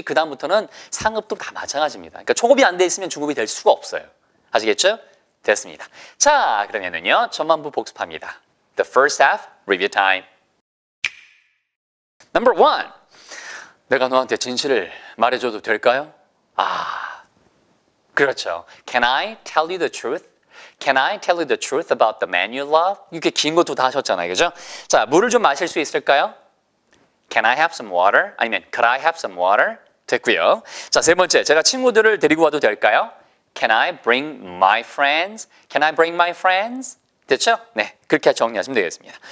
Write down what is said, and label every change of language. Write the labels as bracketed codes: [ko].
[ko] 그 다음부터는 상급도 다 마찬가지입니다. 그러니까 초급이 안 돼 있으면 중급이 될 수가 없어요. 아시겠죠? 됐습니다. 자, 그러면은요. 전반부 복습합니다. [en] The first half. Review time. Number one. [ko] 내가 너한테 진실을 말해줘도 될까요? 아, 그렇죠. [en] Can I tell you the truth? Can I tell you the truth about the man you love? [ko] 이렇게 긴 것도 다 하셨잖아요, 그죠? 자, 물을 좀 마실 수 있을까요? [en] Can I have some water? 아니면 Could I have some water? 됐고요. [ko] 자, 세 번째, 제가 친구들을 데리고 와도 될까요? [en] Can I bring my friends? Can I bring my friends? 됐죠? [ko] 네, 그렇게 정리하시면 되겠습니다.